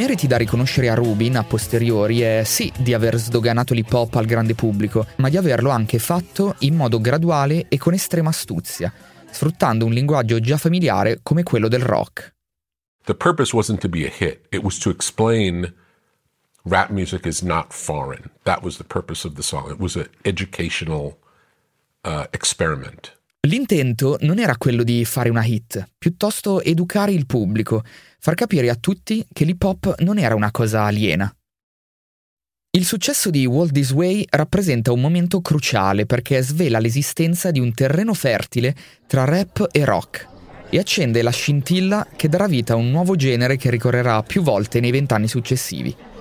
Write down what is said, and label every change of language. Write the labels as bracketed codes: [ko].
[it] Da riconoscere a Rubin a posteriori è sì di aver sdoganato l'hip hop al grande pubblico, ma di averlo anche fatto in modo graduale e con estrema astuzia, sfruttando un linguaggio già familiare come quello del rock. [en] The purpose wasn't to be a hit, it was to explain rap music is not foreign. That was the purpose of the song. It was an educational experiment. [it] L'intento non era quello di fare una hit, piuttosto educare il pubblico, far capire a tutti che l'hip hop non era una cosa aliena. Il successo di Walk This Way rappresenta un momento cruciale perché svela l'esistenza di un terreno fertile tra rap e rock e accende la scintilla che darà vita a un nuovo genere che ricorrerà più volte nei 20 anni successivi.